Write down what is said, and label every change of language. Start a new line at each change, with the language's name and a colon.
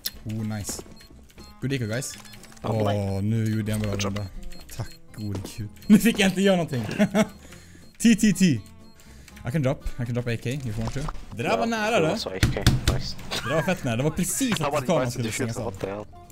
English: Oh, nice. Good eco, guys.
Swedish: Oh, nu gjorde jag en bra runda. Tack, god gud. Nu fick jag inte göra någonting. TTT.
English: I can drop AK if you want to.
Swedish: Det där var nära då. Det var fett nära, det var precis att kameran skulle stängas av.